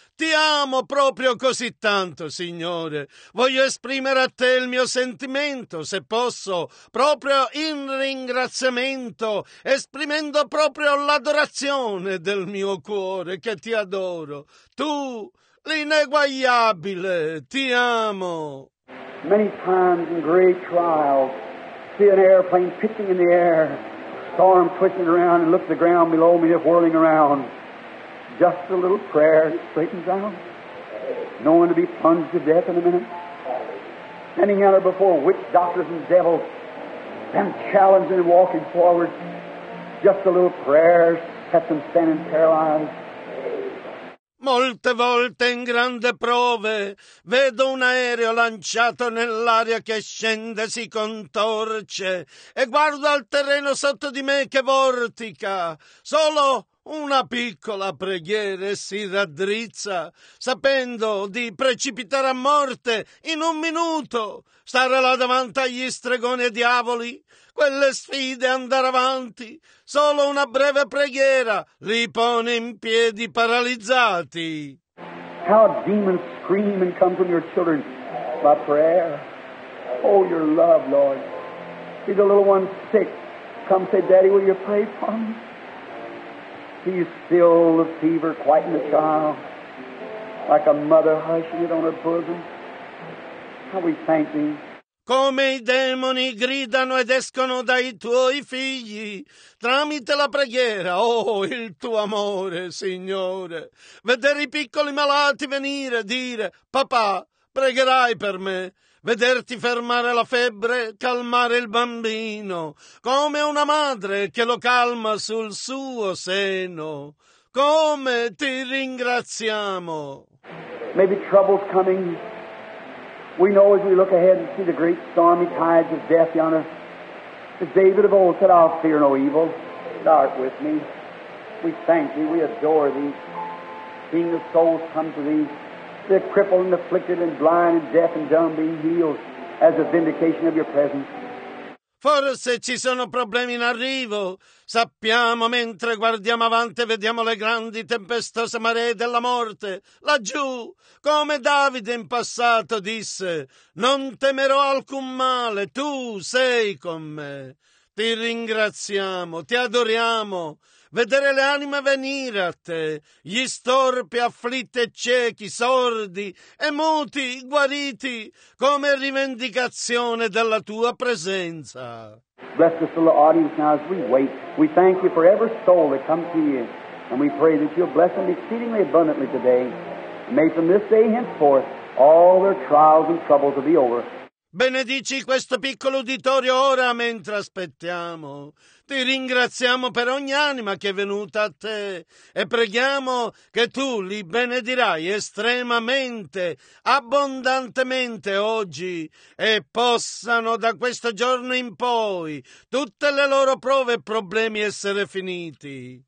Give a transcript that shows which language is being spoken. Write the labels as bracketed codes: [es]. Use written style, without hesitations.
[it] Ti amo proprio così tanto, Signore. Voglio esprimere a te il mio sentimento, se posso, proprio in ringraziamento, esprimendo proprio l'adorazione del mio cuore che ti adoro. Tu, l'ineguagliabile, ti amo. [en] Many times in great trials, see an airplane pitching in the air. Storm twisting around and look at the ground below me, just whirling around. Just a little prayer straightens out. No one to be plunged to death in a minute. Standing out before witch doctors and devils, them challenging and walking forward. Just a little prayer sets them standing paralyzed. [it] Molte volte in grande prove vedo un aereo lanciato nell'aria che scende, si contorce e guardo al terreno sotto di me che vortica. Solo una piccola preghiera si raddrizza, sapendo di precipitare a morte in un minuto, stare là davanti agli stregoni e diavoli, quelle sfide andare avanti. Solo una breve preghiera li pone in piedi paralizzati. [en] How demons scream and come from your children by prayer. Oh, your love, Lord. See the little one sick. Come say, Daddy, will you pray for me? See you still the fever quieting the child, like a mother hushing it on her bosom. How we thank thee. [it] Come i demoni gridano ed escono dai tuoi figli tramite la preghiera, oh il tuo amore, Signore. Vedere i piccoli malati venire e dire, papà, pregherai per me. Vederti fermare la febbre, calmare il bambino, come una madre che lo calma sul suo seno. Come ti ringraziamo. [en] Maybe trouble's coming. We know as we look ahead and see the great stormy tides of death yonder, as David of old said, I'll fear no evil. Start with me. We thank thee. We adore thee. Seeing the souls come to thee, the crippled and afflicted and blind and deaf and dumb being healed as a vindication of your presence. [it] Forse ci sono problemi in arrivo. Sappiamo, mentre guardiamo avanti, vediamo le grandi tempestose maree della morte. Laggiù, come Davide in passato disse, non temerò alcun male, tu sei con me. Ti ringraziamo, ti adoriamo. Vedere le anime venire a te, gli storpi, afflitti e ciechi, sordi e muti, guariti, come rivendicazione della tua presenza. [en] Bless this little audience now as we wait. We thank you for every soul that comes to you, and we pray that you'll bless them exceedingly abundantly today. May from this day henceforth all their trials and troubles will be over. [it] Benedici questo piccolo uditorio ora mentre aspettiamo. Ti ringraziamo per ogni anima che è venuta a te e preghiamo che tu li benedirai estremamente, abbondantemente oggi e possano da questo giorno in poi tutte le loro prove e problemi essere finiti.